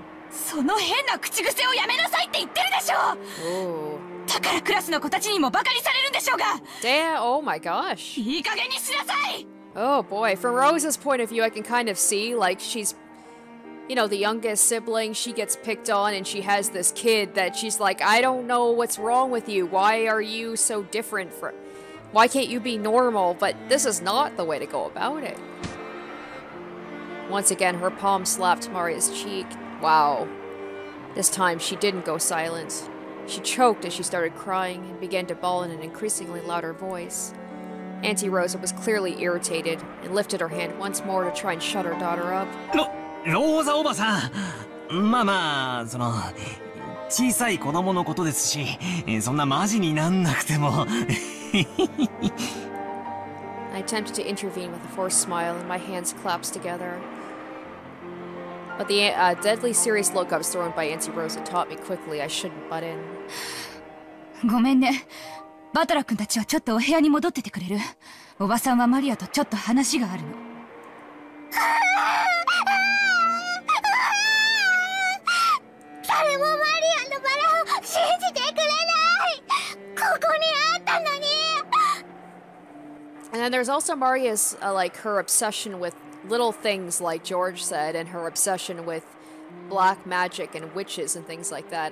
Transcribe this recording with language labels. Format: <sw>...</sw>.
<ja>その変な口癖をやめなさいって言ってるでしょ。だからクラスの子たちにもバカにされるんでしょうが。</ja> <en>Damn, oh my gosh.</en> <ja>いい加減にしなさい。</ja> <en>Oh boy, from Rosa's point of view, I can kind of see, like, she's, you know, the youngest sibling, she gets picked on and she has this kid that she's like, I don't know what's wrong with you. Why are you so different from, why can't you be normal? But this is not the way to go about it. Once again, her palm slapped Maria's cheek. Wow. This time, she didn't go silent. She choked as she started crying and began to bawl in an increasingly louder voice. Auntie Rosa was clearly irritated and lifted her hand once more to try and shut her daughter up.</en> <ja>Rosa, Oba-san! Ma, ma, その... 小さい子供のことですし、そんなマジになんなくても...</ja> <en>I attempted to intervene with a forced smile and my hands collapsed together. But the deadly serious look I was thrown by Auntie Rosa taught me quickly I shouldn't butt in.</en> <ja>ごめんね。バトラ君たちはちょっとお部屋に戻っててくれる。おばさんはマリアとちょっと話があるの。誰もマリアのバラを信じてくれない。ここにあったのに。</ja> <en>And then there's also Maria's, like, her obsession with little things, like George said, and her obsession with black magic and witches and things like that.</en>